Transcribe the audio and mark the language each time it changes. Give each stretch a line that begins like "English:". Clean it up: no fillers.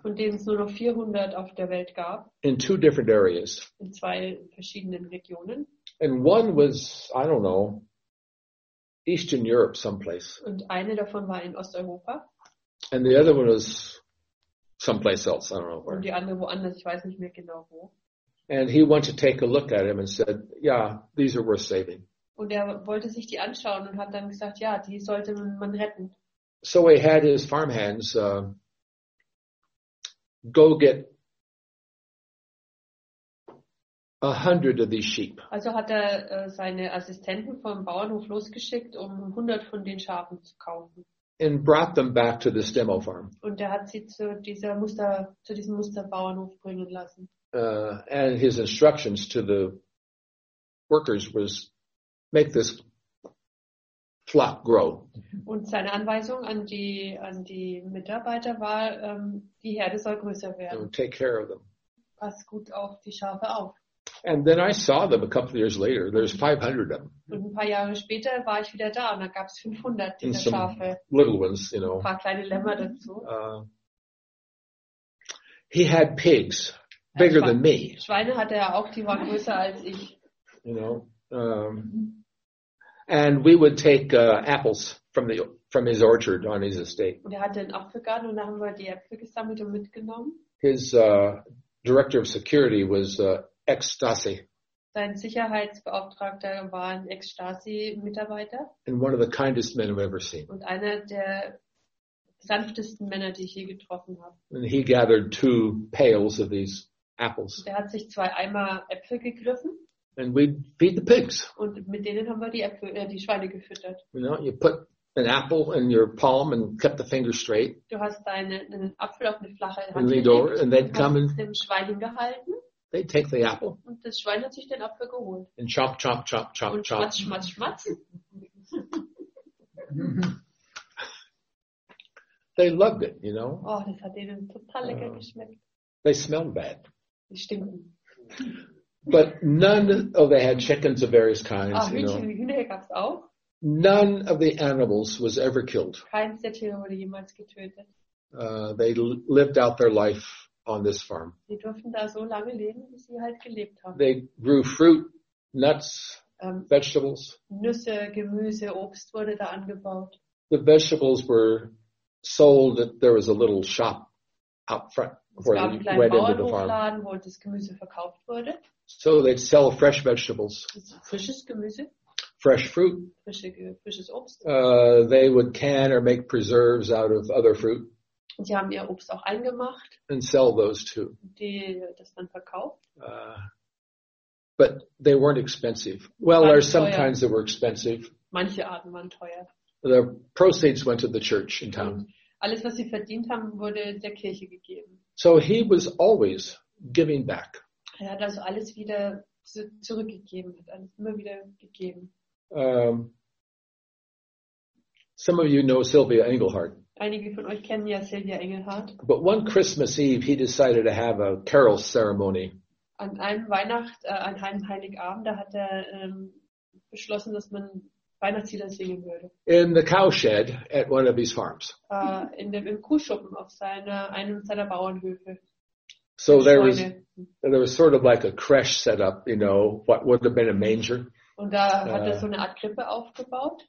German: Von denen es nur noch 400 auf der Welt gab.
English: In two different areas.
German: In zwei verschiedenen Regionen.
English: And one was, I don't know, Eastern Europe someplace.
German: Und eine davon war in Osteuropa.
English: And the other one was someplace else, I don't know where.
German: Und die andere woanders, ich weiß nicht mehr genau wo.
English: And he went to take a look at him and said, yeah, these are worth saving.
German: Und er wollte sich die anschauen und hat dann gesagt, ja, die sollte man retten.
English: So he had his farmhands go get 100 of these sheep.
German: Also hat er seine Assistenten vom Bauernhof losgeschickt, um 100 von den Schafen zu kaufen.
English: And brought them back to this demo farm.
German: Und er hat sie zu diesem Musterbauernhof bringen lassen.
English: And his instructions to the workers was make this flock grow.
German: Und seine Anweisung an die Mitarbeiter war, die Herde soll größer werden.
English: And take care of them.
German: Pass gut auf die Schafe auf.
English: And then I saw them a couple of years later. There's 500 of them.
German: Und ein paar Jahre später war ich wieder da und da gab es 500 dieser Schafe.
English: And some little ones, you know.
German: Ein paar kleine Lämmer dazu.
English: He had pigs bigger than me.
German: Schweine hatte er auch, die waren größer als ich.
English: You know. And we would take apples from his orchard on his estate.
German: Und er hatte einen Apfelgarten und da haben wir die Äpfel gesammelt und mitgenommen.
English: His director of security was Ex-Stasi.
German: Sein Sicherheitsbeauftragter war ein Ex-Stasi-Mitarbeiter.
English: And one of the kindest men I've ever seen.
German: Und einer der sanftesten Männer, die ich je getroffen habe.
English: And he gathered two pails of these apples.
German: Er hat sich zwei Eimer Äpfel gegriffen.
English: And we'd feed the pigs.
German: Und mit denen haben wir die Schweine gefüttert.
English: You know, you put an apple in your palm and kept the fingers straight.
German: Du hast einen Apfel auf eine flache Hand
English: and
German: gelegt.
English: Over, and they'd
German: und
English: come
German: hast dem Schwein gehalten.
English: They take the apple.
German: Und das Schwein hat sich den Apfel geholt.
English: And chop, chop, chop, chop,
German: und
English: chop.
German: Und schmatz, schmatz, schmatz.
English: They loved it, you know.
German: Oh, das hat ihnen total lecker geschmeckt.
English: They smelled bad.
German: Die stinken.
English: But none of they had chickens of various kinds.
German: Ah, Hühnchen, Hühner gab's auch.
English: None of the animals was ever killed.
German: Keins der Tiere wurde jemals getötet.
English: They lived out their life on this farm.
German: Sie durften da so lange leben, wie sie halt gelebt haben.
English: They grew fruit, nuts, vegetables.
German: Nüsse, Gemüse, Obst wurde da angebaut.
English: The vegetables were sold. There was a little shop out front where they went into the farm.
German: Es gab einen kleinen Bauernhofladen, wo das Gemüse verkauft wurde.
English: So they'd sell fresh vegetables.
German: Frisches Gemüse.
English: Fresh fruit.
German: Frisches Obst.
English: They would can or make preserves out of other fruit.
German: Und sie haben ihr Obst auch eingemacht.
English: And sell those too.
German: Die das dann verkauft.
English: But they weren't expensive. Well, there are some kinds that were expensive.
German: Manche Arten waren teuer.
English: The proceeds went to the church in town.
German: Alles, was sie verdient haben, wurde der Kirche gegeben.
English: So he was always giving back.
German: Er hat also alles wieder zurückgegeben, hat alles immer wieder gegeben.
English: Some of you know Sylvia Engelhardt.
German: Einige von euch kennen ja Sylvia Engelhardt.
English: But one Christmas Eve, he decided to have a carol ceremony.
German: An einem Heiligabend, da hat er beschlossen, dass man Weihnachtslieder singen würde.
English: In the cowshed at one of his farms.
German: Im Kuhschuppen auf einem seiner Bauernhöfe.
English: So there was sort of like a creche set up, you know, what would have been a manger.
German: Und da hat er so eine Art Krippe aufgebaut.